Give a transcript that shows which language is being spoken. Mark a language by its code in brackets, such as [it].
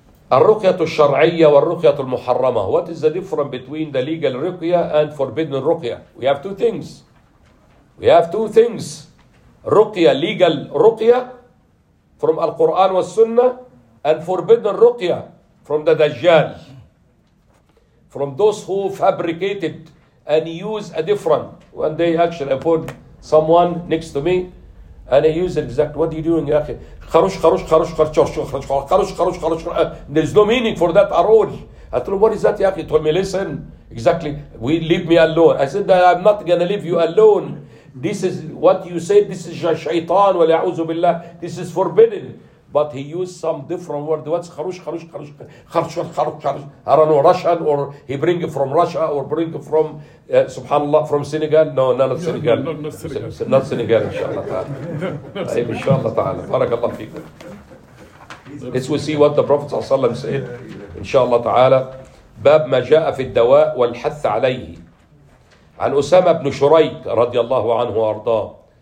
[ar] الرقية الشرعية والرقية المحرمة. [en] What is the difference between the legal ruqya and forbidden ruqya? We have two things. We have two things. Ruqya, legal ruqya from Al-Quran wa Sunnah and forbidden ruqya from the Dajjal. From those who fabricated and use a different. One day actually I put someone next to me and he used it exactly. What are you doing, yaakhi? خروش خروش خروش خروش خروش خروش خروش خروش خروش خروش خروش There's no meaning for that at all. I told him, what is that, yaakhi? He told me, listen, exactly. We leave me alone. I said, I'm not going to leave you alone. This is what you said. This is shaitan. This is forbidden. But he used some different word. What's خروش خروش خروش خروش خروش خروش خروش I don't know, Russian or he bring it from Russia or bring it from, subhanAllah, from Senegal. No, not Senegal. Not Senegal. Not Senegal, inshallah ta'ala. inshallah ta'ala. Barakallah feekum. Let's we see what the Prophet sallallahu alayhi wa sallam said. Inshallah ta'ala. [ar] باب ما جاء في الدواء والحث عليه. عن أسامة بن شريك رضي الله عنه وأرضاه.